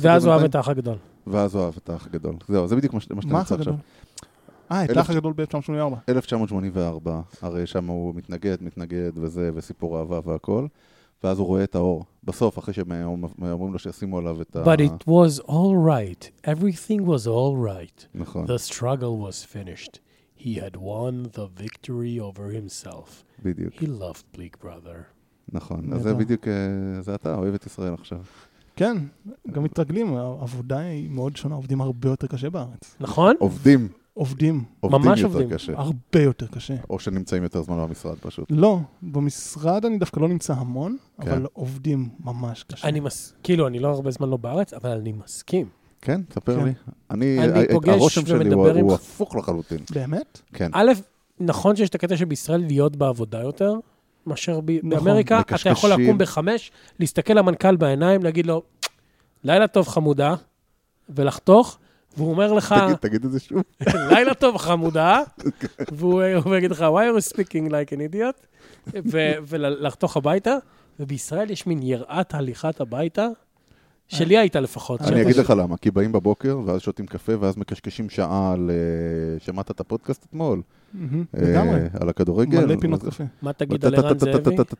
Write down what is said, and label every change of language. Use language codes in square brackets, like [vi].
[he] ואז אוהב את האח הגדול. ואז אוהב את האח הגדול. זהו, זה בדיוק מה שאתה נמצא עכשיו. את האח הגדול ב-1984. 1984, הרי שם הוא מתנגד וזה, וסיפור אהבה והכל. ואז הוא רואה את האור. בסוף, אחרי שאומרים לו שישימו עליו את ה... [en] But it was all right. Everything was all right. [he] נכון. [en] The struggle was finished. He had won the victory over himself. [he] בדיוק. [en] He loved Bleak Brother. [he] נכון. אז זה בדיוק, זה אתה, אוהב את ישראל עכשיו. כן, גם מתרגלים. העבודה היא מאוד שונה. עובדים הרבה יותר קשה בארץ. נכון? עובדים. עובדים. עובדים ממש יותר עובדים. קשה. הרבה יותר קשה. או שנמצאים יותר זמן במשרד פשוט. לא, במשרד אני דווקא לא נמצא המון, כן. אבל עובדים ממש קשה. אני כאילו, אני לא הרבה זמן לא בארץ, אבל אני מסכים. כן, תספר כן. לי. אני פוגש הרושם שלי הוא הפוך לחלוטין. באמת? כן. א', נכון שיש את הקטע שבישראל להיות בעבודה יותר, מאשר באמריקה, אתה יכול לקום בחמש, להסתכל למנכ״ל בעיניים, להגיד לו, לילה טוב חמודה, ולחתוך, והוא אומר לך, תגיד את זה שוב. לילה טוב חמודה, והוא יגיד לך, [en] why are you speaking like an idiot? [he] ולחתוך הביתה, ובישראל יש מין יראת הליכת הביתה, שלי הייתה לפחות. אני אגיד לך למה, כי באים בבוקר, ואז שותים קפה, ואז מקשקשים שעה על, שמעת את הפודקאסט אתמול? על הכדורגל. מלא פינות קפה. מה תגיד על ערן זאבי?